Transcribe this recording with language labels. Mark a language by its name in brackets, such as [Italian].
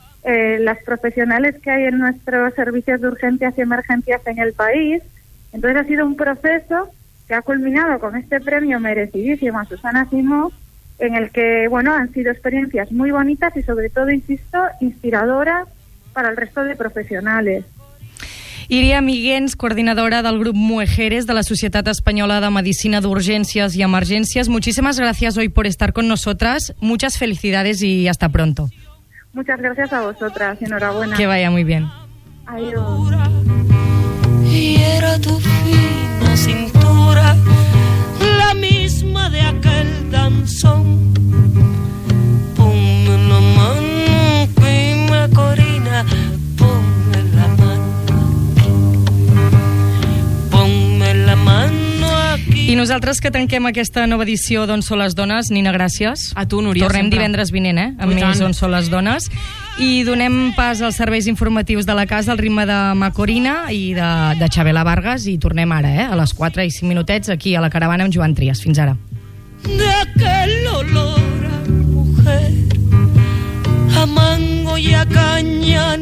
[Spanish] las profesionales que hay en nuestros servicios de urgencias y emergencias en el país. Entonces ha sido un proceso que ha culminado con este premio merecidísimo a Susana Simó, en el que, bueno, han sido experiencias muy bonitas y sobre todo, insisto, inspiradoras para el resto de profesionales. [Catalan] Iria Miguens, coordinadora del grup Mujeres de la Societat Espanyola de Medicina d'Urgències i Emergències. [Spanish] Muchísimas gracias hoy por estar con nosotras. Muchas felicidades y hasta pronto. Muchas gracias a vosotras. Enhorabuena. Que vaya muy bien. Adiós. Y era tu fina cintura la misma de aquel danzón. Ponme una mano, prima Corina. [Catalan] I nosaltres que tanquem aquesta nova edició d'On són les dones, Nina, gràcies. A tu, Núria. Tornem sempre. Divendres vinent, amb més On són les dones. I donem pas als serveis informatius de la casa al ritme de Macorina i de Xabela Vargas i tornem ara, a les 4 i 5 minutets aquí a la caravana amb Joan Trias. Fins ara. [Spanish] De aquel olor a mujer, a mango y a caña.